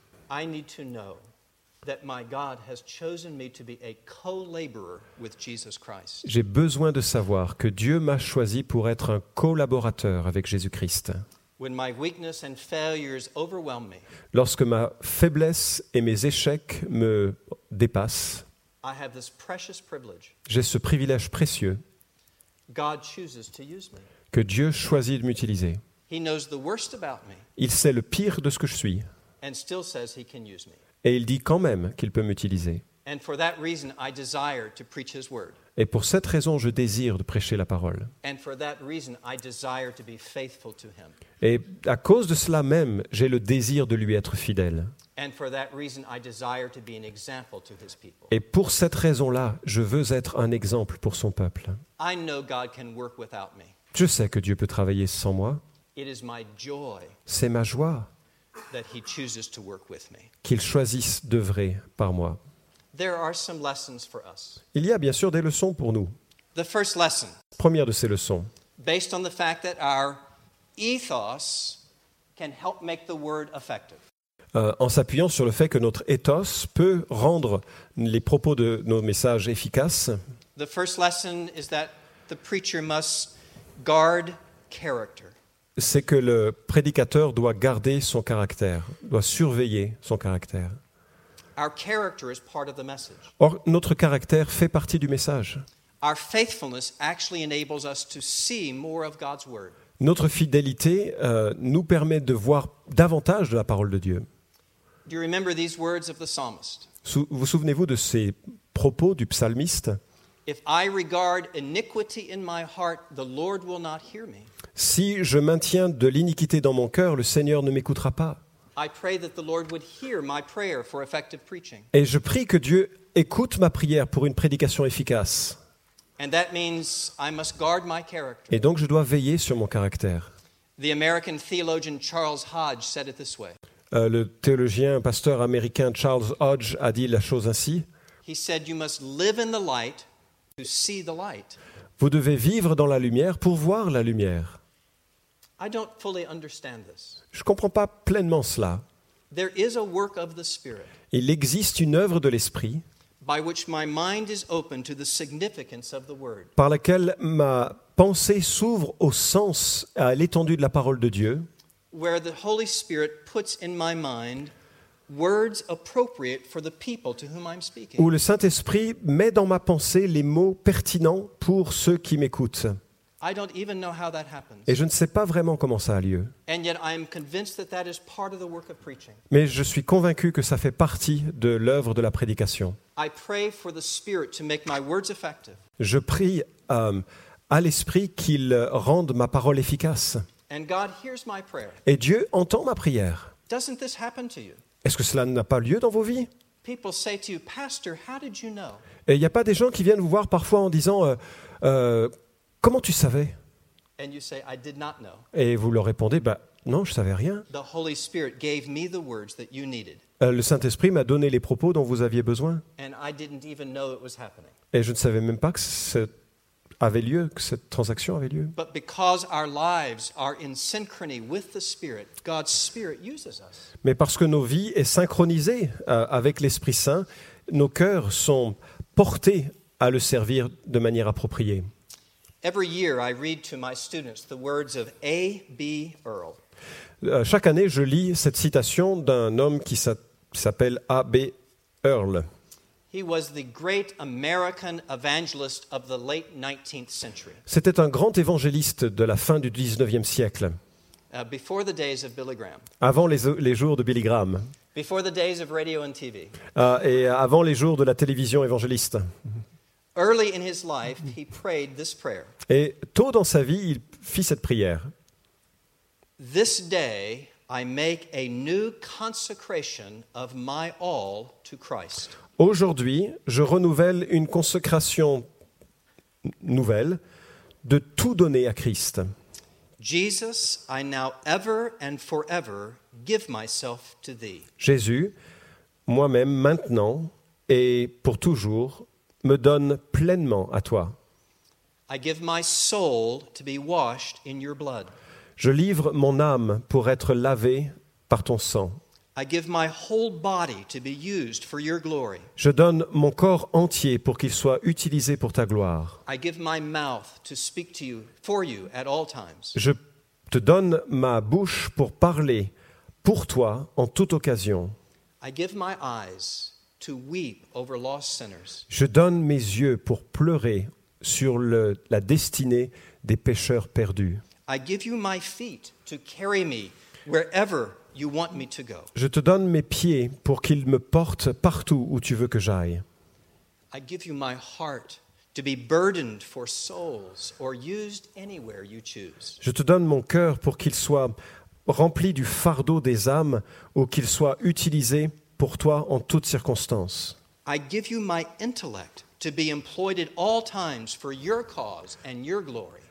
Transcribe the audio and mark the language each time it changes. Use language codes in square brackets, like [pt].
[en] I need to know that my God has chosen me to be a co-laborer with Jesus Christ. [fr] J'ai besoin de savoir que Dieu m'a choisi pour être un collaborateur avec Jésus-Christ. [en] When my weakness and failures overwhelm me, [fr] lorsque ma faiblesse et mes échecs me dépassent, [en] I have this precious privilege. [fr] J'ai ce privilège précieux. [en] God chooses to use me. [fr] Que Dieu choisit de m'utiliser. [en] He knows the worst about me. [fr] Il sait le pire de ce que je suis. [en] And still says he can use me. [fr] Et il dit quand même qu'il peut m'utiliser. [en] And for that reason, I desire to preach his word. [fr] Et pour cette raison, je désire de prêcher la parole. [en] And for that reason, I desire to be faithful to him. [fr] Et à cause de cela même, j'ai le désir de lui être fidèle. [en] And for that reason, I desire to be an example to his people. [fr] Et pour cette raison-là, je veux être un exemple pour son peuple. [en] I know God can work without me. [fr] Je sais que Dieu peut travailler sans moi. [en] It is my joy. [fr] C'est ma joie [en] that he chooses to work with me. [fr] Qu'il choisisse d'œuvrer par moi. [en] There are some lessons for us. [fr] Il y a bien sûr des leçons pour nous. [en] The first lesson, [fr] première de ces leçons. [en] Based on the fact that our ethos can help make the word effective. [fr] En s'appuyant sur le fait que notre ethos peut rendre les propos de nos messages efficaces. [en] The first lesson is that the preacher must guard character. [fr] C'est que le prédicateur doit garder son caractère, doit surveiller son caractère. [en] Our character is part of the message. [fr] Or, notre caractère fait partie du message. [en] Our faithfulness actually enables us to see more of God's word. [fr] Notre fidélité nous permet de voir davantage de la parole de Dieu. [en] Do you remember these words of the psalmist? [fr] Vous souvenez-vous de ces propos du psalmiste? [en] If I regard iniquity in my heart, the Lord will not hear me. [fr] Si je maintiens de l'iniquité dans mon cœur, le Seigneur ne m'écoutera pas. [en] I pray that the Lord would hear my prayer for effective preaching. [fr] Et je prie que Dieu écoute ma prière pour une prédication efficace. [en] And that means I must guard my character. [fr] Et donc je dois veiller sur mon caractère. [en] The American theologian Charles Hodge said it this way. [fr] Le théologien pasteur américain Charles Hodge a dit la chose ainsi. [en] He said you must live in the light to see the light. [fr] Vous devez vivre dans la lumière pour voir la lumière. [en] I don't fully understand this. [fr] Je ne comprends pas pleinement cela. [en] There is a work of the Spirit. [fr] Il existe une œuvre de l'Esprit [en] by which my mind is open to the significance of the word. [fr] Par laquelle ma pensée s'ouvre au sens, à l'étendue de la parole de Dieu. [en] Where the Holy Spirit puts in my mind words appropriate for the people to whom I'm speaking. [fr] Où le Saint-Esprit met dans ma pensée les mots pertinents pour ceux qui m'écoutent. [en] I don't even know how that happens. [fr] Et je ne sais pas vraiment comment ça a lieu. [en] And yet I am convinced that that is part of the work of preaching. [fr] Mais je suis convaincu que ça fait partie de l'œuvre de la prédication. [en] I pray for the Spirit to make my words effective. [fr] Je prie à l'Esprit qu'il rende ma parole efficace. [en] And God hears my prayer. [fr] Et Dieu entend ma prière. [en] Doesn't this happen to you? [fr] Est-ce que cela n'a pas lieu dans vos vies? [en] People say to you, Pastor, how did you know? [fr] Et il n'y a pas des gens qui viennent vous voir parfois en disant comment tu savais? [en] And you say, I did not know. [fr] Et vous leur répondez, bah, non, je ne savais rien. [en] The Holy Spirit gave me the words that you needed. [fr] Le Saint-Esprit m'a donné les propos dont vous aviez besoin. [en] And I didn't even know it was happening. [fr] Et je ne savais même pas que cette avait lieu, que cette transaction avait lieu. [en] But because our lives are in synchrony with the Spirit, God's Spirit uses us. [fr] Mais parce que nos vies est synchronisée avec l'Esprit Saint, nos cœurs sont portés à le servir de manière appropriée. [en] Every year I read to my students the words of A. B. Earl. [fr] Chaque année, je lis cette citation d'un homme qui s'appelle A. B. Earl. [en] He was the great American evangelist of the late 19th century. [fr] C'était un grand évangéliste de la fin du 19e siècle. [en] Before the days of Billy Graham. [fr] Avant les jours de Billy Graham. [en] Before the days of radio and TV. [fr] Et avant les jours de la télévision évangéliste. [en] Early in his life, he prayed this prayer. [fr] Et tôt dans sa vie, il fit cette prière. [en] This day I make a new consecration of my all to Christ. [fr] Aujourd'hui, je renouvelle une consécration nouvelle de tout donner à Christ. [en] Jesus, I now ever and forever give myself to thee. [fr] Jésus, moi-même maintenant et pour toujours, me donne pleinement à toi. [en] I give my soul to be washed in your blood. [fr] Je livre mon âme pour être lavée par ton sang. [en] I give my whole body to be used for your glory. [fr] Je donne mon corps entier pour qu'il soit utilisé pour ta gloire. [en] I give my mouth to speak to you for you at all times. [fr] Je te donne ma bouche pour parler pour toi en toute occasion. [en] I give my eyes to weep over lost sinners. [fr] Je donne mes yeux pour pleurer sur la destinée des pécheurs perdus. [en] I give you my feet to carry me wherever you want me to go. [fr] Je te donne mes pieds pour qu'ils me portent partout où tu veux que j'aille. [en] I give you my heart to be burdened for souls or used anywhere you choose. [fr] Je te donne mon cœur pour qu'il soit rempli du fardeau des âmes ou qu'il soit utilisé pour toi en toutes circonstances. [en] I give you my intellect to be employed at all times for your cause and your glory.